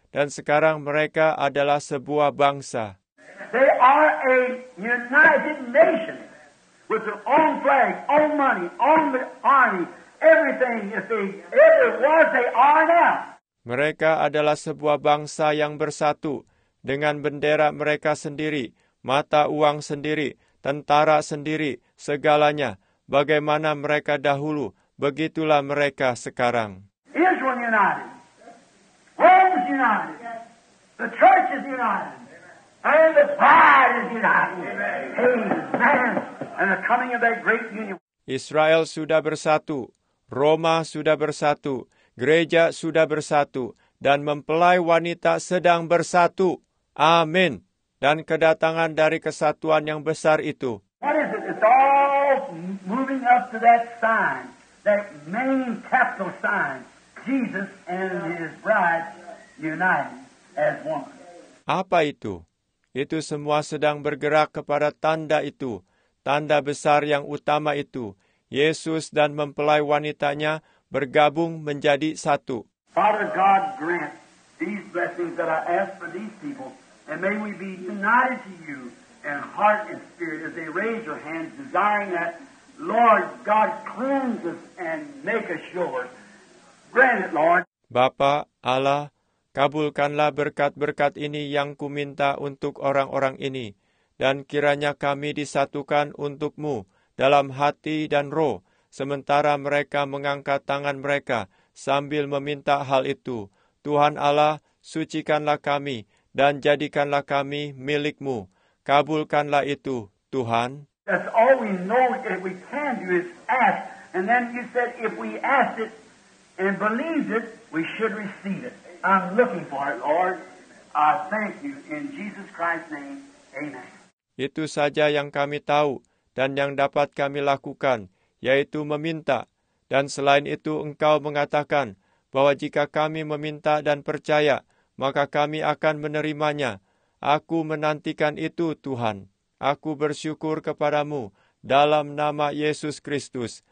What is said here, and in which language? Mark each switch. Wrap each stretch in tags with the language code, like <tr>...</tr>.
<id>Dan sekarang mereka adalah sebuah bangsa.</id> <en>They are a united nation with their own flag, own money, own army, everything. If they ever was, they are now. Mereka adalah sebuah bangsa yang bersatu dengan bendera mereka sendiri, mata uang sendiri, tentara sendiri, segalanya. Bagaimana mereka dahulu, begitulah mereka sekarang. Israel united. Rome's united. The church is united. And the bride is united. Amen. And the coming of that great union.</en> <id>Israel sudah bersatu. Roma sudah bersatu. Gereja sudah bersatu. Dan mempelai wanita sedang bersatu. Amin. Dan kedatangan dari kesatuan yang besar itu.</id> <en>What is it? It's all moving up to that sign. That main capital sign. Jesus and his bride. United as one.</en> <id>Apa itu? Itu semua sedang bergerak kepada tanda itu, tanda besar yang utama itu, Yesus dan mempelai wanitanya bergabung menjadi satu.</id> <en>Father God, grant these blessings that I ask for these people, and may we be united to you in heart and spirit as they raise your hands, desiring that, Lord God, cleanse us and make us yours. Grant it, Lord.</en> <id>Bapa Allah, kabulkanlah berkat-berkat ini yang kuminta untuk orang-orang ini, dan kiranya kami disatukan untuk-Mu dalam hati dan roh, sementara mereka mengangkat tangan mereka sambil meminta hal itu. Tuhan Allah, sucikanlah kami dan jadikanlah kami milik-Mu. Kabulkanlah itu, Tuhan.</id> <en>That's all we know that we can do is ask, and then you said if we ask it and believe it, we should receive it. I'm looking for it, Lord. I thank you in Jesus Christ's name. Amen.</en> <id>Itu saja yang kami tahu dan yang dapat kami lakukan, yaitu meminta. Dan selain itu, Engkau mengatakan bahwa jika kami meminta dan percaya, maka kami akan menerimanya. Aku menantikan itu, Tuhan. Aku bersyukur kepada-Mu dalam nama Yesus Kristus.</id>